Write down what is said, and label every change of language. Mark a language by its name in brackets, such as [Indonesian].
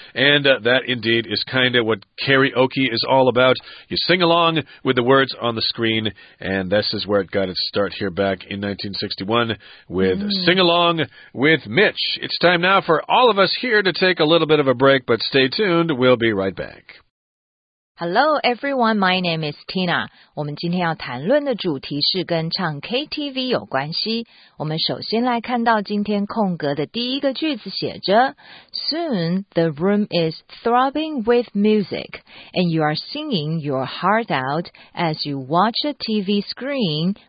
[English] And that indeed is kind of what karaoke is all about. You sing along with the words on the screen, and this is where it got its start here back in 1961 with Sing Along with Mitch. It's time now for all of us here to take a little bit of a break, but stay tuned. We'll be right back. Hello, everyone. My name is Tina. [Chinese] 我们今天要谈论的主题是跟唱 KTV 有关系。我们首先来看到今天空格的第一个句子写着 [English] Soon, the room is throbbing with music, and you are singing your heart out as you watch a TV screen.